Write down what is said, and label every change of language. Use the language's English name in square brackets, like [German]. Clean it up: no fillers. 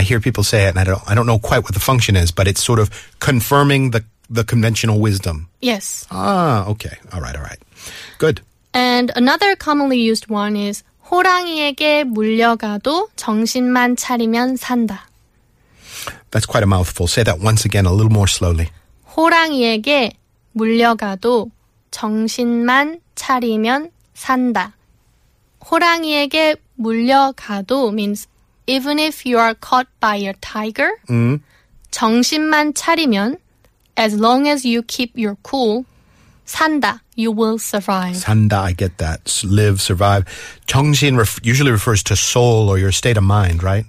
[English] I hear people say it, and I don't know quite what the function is, but it's sort of confirming the conventional wisdom. Yes. Ah, okay. All right. Good. And another commonly used one is 호랑이에게 물려가도 정신만 차리면 산다. That's quite a mouthful. Say that once again a little more slowly. [Korean] 호랑이에게 물려가도 정신만 차리면 산다. 호랑이에게 물려가도 [English] means even if you are caught by a tiger, [Korean] 정신만 차리면, [English] as long as you keep your cool, [Korean] 산다, [English] you will survive. 산다, I get that. Live, survive. 정신 usually refers to soul or your state of mind, right?